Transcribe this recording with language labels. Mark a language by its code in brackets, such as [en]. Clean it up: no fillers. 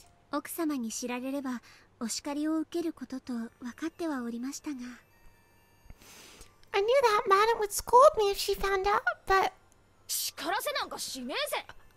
[ja] 奥様に知られればお叱りを受けることと分かってはおりましたが。 [en] I knew that madam would scold me if she found out, but... [ja] 叱らせなんかしねえぜ!